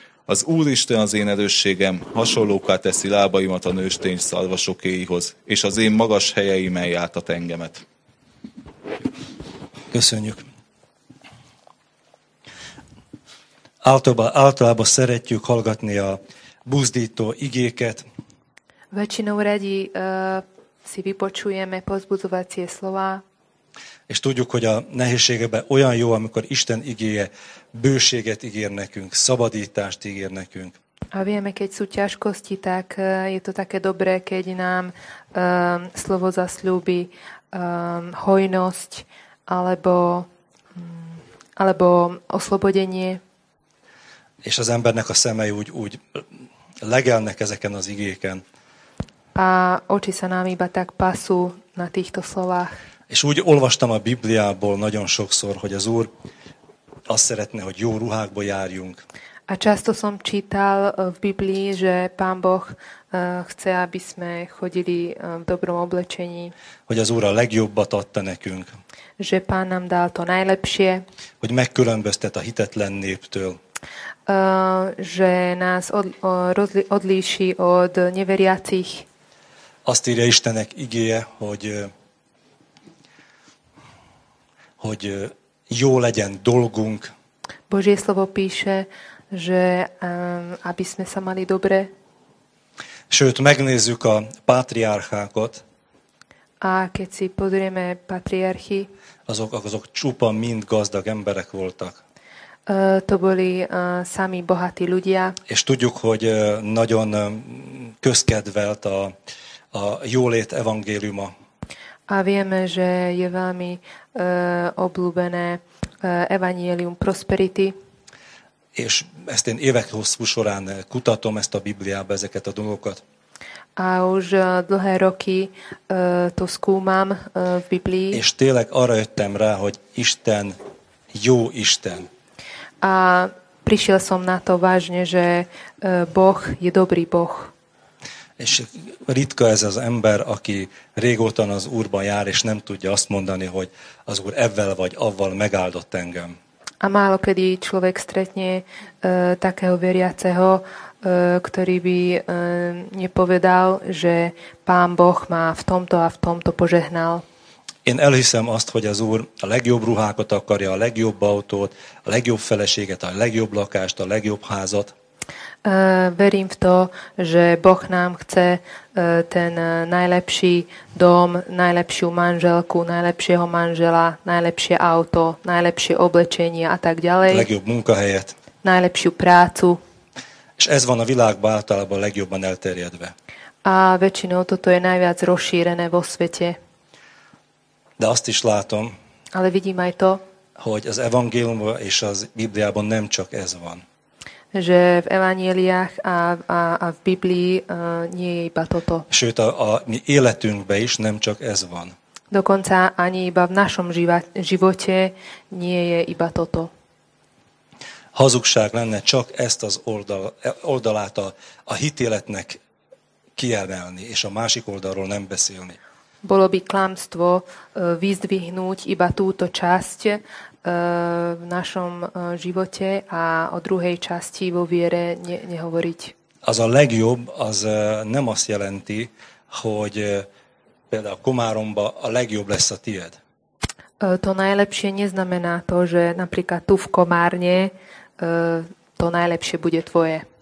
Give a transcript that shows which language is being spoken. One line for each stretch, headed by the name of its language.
Hungarian: Az Úristen az én erősségem, hasonlóká teszi lábaimat a nőstény szarvasokéihoz, és az én magas helyeimen jártat engemet. Köszönjük. Általában szeretjük hallgatni a buzdító igéket.
Slovak: Väčšinou radi si vypočujeme pozbudzovacie slová.
Hungarian: És tudjuk, hogy a nehézségekben olyan jó, amikor Isten igéje bőséget ígér nekünk, szabadítást ígér nekünk.
Slovak: A vieme, keď sú ťažkosti, tak je to také dobré, keď nám slovo zasľúbi hojnosť alebo oslobodenie.
Hungarian: És az embernek a szemei úgy legelnek ezeken az igéken.
Slovak: A oči sa nám iba tak pasú na týchto slovách.
Hungarian: És úgy olvastam a Bibliából nagyon sokszor, hogy az Úr azt szeretne, hogy jó ruhákba járjunk.
Slovak: A často som čítal v Biblii, že Pán Boh chce, aby sme chodili v dobrom oblečení.
Hungarian: Hogy az Úr a legjobbat adta nekünk.
Slovak: Že Pán nám dal to najlepšie.
Hungarian: Hogy megkülönböztet a hitetlen néptől.
Slovak: Že nás odlíši od neveriacich.
Hungarian: Azt írja Istennek igéje, hogy jó legyen dolgunk.
Slovak: Božie slovo píše, že aby sme sa mali dobre.
Hungarian: Sőt, megnézzük a patriarchákat.
Slovak: A keď si pozrieme patriarchy.
Hungarian: Azok csupa mind gazdag emberek voltak.
Slovak: To boli sami bohatí ľudia.
Hungarian: És tudjuk, hogy nagyon közkedvelt a jólét evangéliuma.
Slovak: A vieme, že je veľmi obľúbené evanjelium prosperity.
Hungarian: És ezt én évek hosszú során kutatom ezt a Bibliába, ezeket a dolgokat.
Slovak: A už dlhé roky to skúmam v Biblii.
Hungarian: És tényleg arra jöttem rá, hogy Isten jó Isten.
Slovak: A prišiel som na to vážne, že Boh je dobrý Boh.
Hungarian: És ritka ez az ember, aki régóta az Úrban jár, és nem tudja azt mondani, hogy az Úr ezzel vagy avval megáldott engem.
Slovak: A málo kedy človek stretne takého veriaceho, ktorý by nepovedal, že Pán Boh má v tomto a v tomto požehnal.
Hungarian: Én elhiszem azt, hogy az Úr a legjobb ruhákat akarja, a legjobb autót, a legjobb feleséget, a legjobb lakást, a legjobb házat.
Slovak: Verím v to, že Boh nám chce ten najlepší dom, najlepšiu manželku, najlepšieho manžela, najlepšie auto, najlepšie oblečenie a tak ďalej.
Hungarian: Legjobb munkahelyet.
Slovak: Najlepšiu prácu.
Hungarian: És ez van a világban általában legjobban elterjedve.
Slovak: A väčšinou toto je najviac rozšírené vo svete.
Hungarian: De azt is látom,
Slovak: ale vidím aj to,
Hungarian: hogy az evangéliumban és az Bibliában nem csak ez van.
Slovak: Že v evanjeliách a v Biblii nie je iba toto.
Hungarian: Sőt, a mi életünkben is nem csak ez van.
Slovak: Dokonca ani iba v našom živote nie je iba toto.
Hungarian: Hazugság lenne csak ezt az oldalát a hitéletnek kiemelni, és a másik oldalról nem beszélni.
Slovak: Bolo by klamstvo vyzdvihnúť iba túto časť v našom živote a o druhej časti vo viere nehovoriť.
Hungarian: Az a legjobb, az nem azt jelenti, hogy például Komáromba a legjobb lesz a tied.
Slovak: To najlepšie neznamená to, že napríklad tu v Komárne to najlepšie bude tvoje.